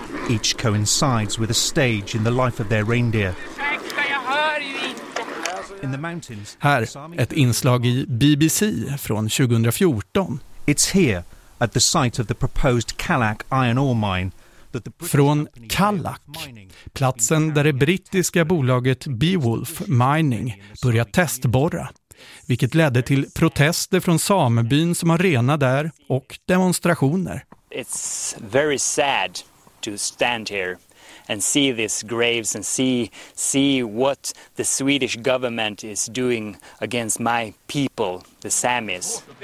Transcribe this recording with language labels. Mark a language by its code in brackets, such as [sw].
[en] Each coincides with a stage in the life of their reindeer. [sv] Här ett inslag i BBC från 2014. [en] It's here at the site of the proposed Kallak iron ore mine that the [sv] British Från Kallak, platsen där det brittiska bolaget Beowulf Mining börjat testborra vilket ledde till protester från samebyn som har rena där och demonstrationer. [en] It's very sad to stand here and see these graves and see what the Swedish government is doing against my people, the Samis.